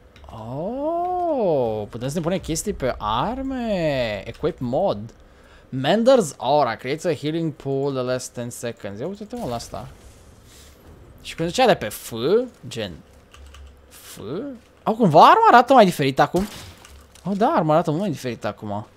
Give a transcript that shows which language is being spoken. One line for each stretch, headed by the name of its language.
Romanian: Oh, puteți să ne pune chestii pe arme.
English: Equip mod. Mender's Aura creates a healing pool the last 10 seconds.
Romanian: Ia uite-te mă la asta. Și când zicea de pe F, gen F. Au, cumva arma arată mai diferit acum. Oh, da, arma arată mult mai diferit acum.